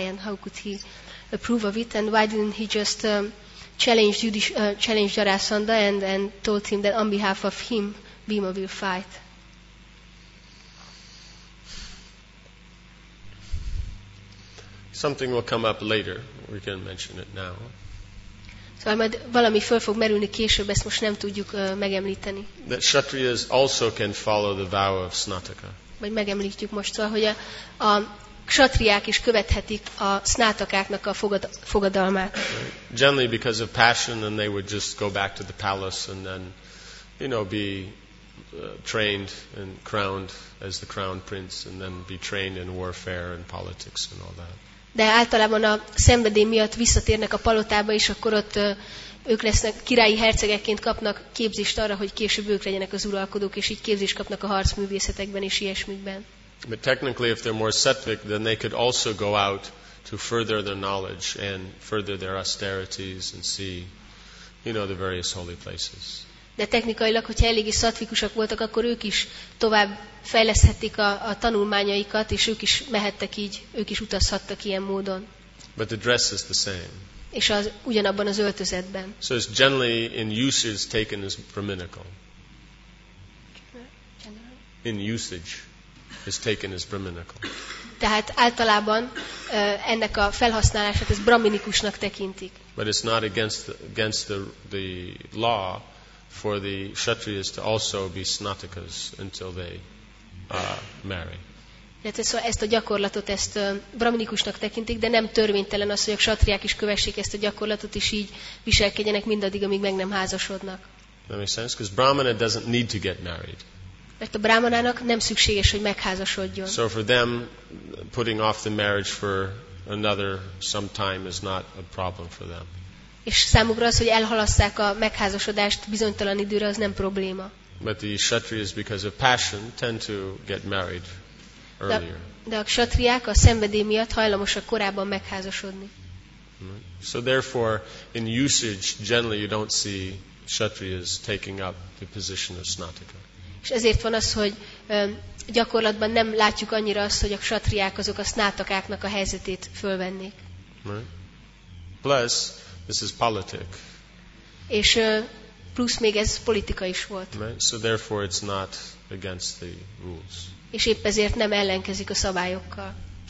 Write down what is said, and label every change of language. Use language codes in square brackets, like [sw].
[en] And how could he approve of it? And why didn't he just challenge Jarasandha and told him that on behalf of him, Bhima will fight? Something will come up later. We can mention it now. [hu] So, majd valami föl fog merülni később, ezt most nem tudjuk megemlíteni. [en] That Kshatriyas also can follow the vow of Snataka. [hu] Majd megemlítjük most, szóval, hogy a Kshatriyák is követhetik a Snatakáknak a fogadalmát. [en] Generally because of passion, and they would just go back to the palace and then, you know, be trained and crowned as the crown prince, and then be trained in warfare and politics and all that. [hu] De általában a szenvedély miatt visszatérnek a palotába, és akkor ott ők lesznek királyi hercegekként, kapnak képzést arra, hogy később ők legyenek az uralkodók, és így képzést kapnak a harcművészetekben és ilyesmikben. [en] But technically, if they're more sattvic, then they could also go out to further their knowledge and further their austerities and see, you know, the various holy places. [hu] De technikailag, hogyha eléggé szatvikusak voltak, akkor ők is tovább fejleszthetik a tanulmányaikat, és ők is mehettek így, ők is utazhattak ilyen módon. [en] But the dress is the same. [hu] És az ugyanabban az öltözetben. [en] So it's generally in usage taken as brahminical. In usage is taken as brahminical. [hu] Tehát általában ennek a felhasználását ez brahminikusnak tekintik. [en] But it's not against the law for the Kshatriyas to also be Snatakas until they marry. [hu] Ezt a gyakorlatot ezt brahminikusnak tekintik, de nem törvénytelen az, hogy a Kshatriyák is kövessék ezt a gyakorlatot, és így viselkedjenek mindaddig, amíg meg nem házasodnak. [en] That makes sense, because Brahmana doesn't need to get married. [hu] Mert a Brahmanának nem szükséges, hogy megházasodjon. [en] So for them, putting off the marriage for another some time is not a problem for them. [hu] És számukra az, hogy elhalasszák a megházasodást bizonytalan időre, az nem probléma. [en] But the Kshatriyas, because of passion, tend to get married earlier. [hu] De a Kshatriyák a szenvedély miatt hajlamosak korábban megházasodni. [en] So therefore, in usage, generally you don't see Kshatriyas taking up the position of Snataka. [hu] És ezért van az, hogy gyakorlatban nem látjuk annyira azt, hogy a Kshatriyák azok a Snatakáknak a helyzetét fölvennék. [en] Right. Plus, this is politic. [hu] És plusz még ez politika is volt. [en] Right? So therefore it's not against the rules. [hu] És épp ezért nem ellenkezik a szabályokkal.